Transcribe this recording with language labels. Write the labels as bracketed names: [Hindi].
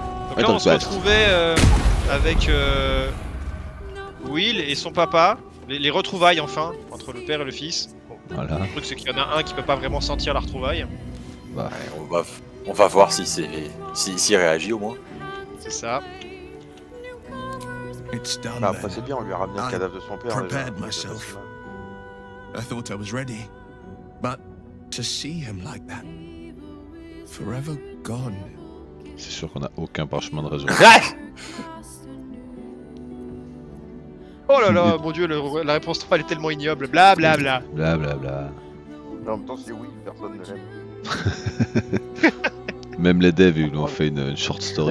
[French] Donc là on se retrouvait avec Will et son papa, les retrouvailles enfin, entre le père et le fils. Bon, voilà. Le truc c'est qu'il y en a un qui peut pas vraiment sentir la retrouvaille. Bah, on va voir si c'est s'il réagit au moins. C'est ça. [English] It's done. [French] Ah, après, c'est bien, on lui a ramené le cadavre de son père. [English] Prepared myself. I thought I was ready, but to see him like that, forever gone. [French] C'est sûr qu'on a aucun parchemin de raison. Oh là là, mon dieu, la réponse 3 elle est tellement ignoble. Blablabla. Blablabla. Bla, bla. En même temps, c'est oui, personne ne l'aime. Même les devs, ils lui ont fait une short story.